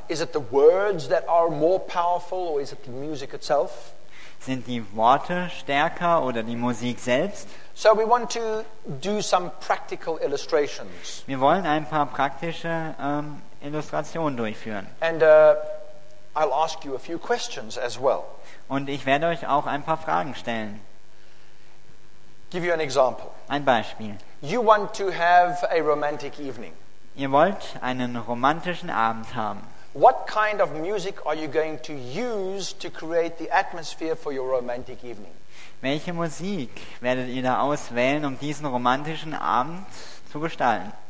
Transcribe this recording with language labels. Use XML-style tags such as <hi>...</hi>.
<en>is it the words that are more powerful or is it the music itself?</en> <de>Sind die Worte stärker oder die Musik selbst?</de> <en>So we want to do some practical illustrations.</en> <de>Wir wollen ein paar praktische Illustrationen durchführen.</de> <en>And I'll ask you a few questions as well.</en> <de>Und ich werde euch auch ein paar Fragen stellen.</de> <en>Give you an example.</en> <de>Ein Beispiel.</de> <en>You want to have a romantic evening.</en> <de>Ihr wollt einen romantischen Abend haben.</de> <en>What kind of music are you going to use to create the atmosphere for your romantic evening?</en> <de>Welche Musik werdet ihr da auswählen, um diesen romantischen Abend zu gestalten?</de>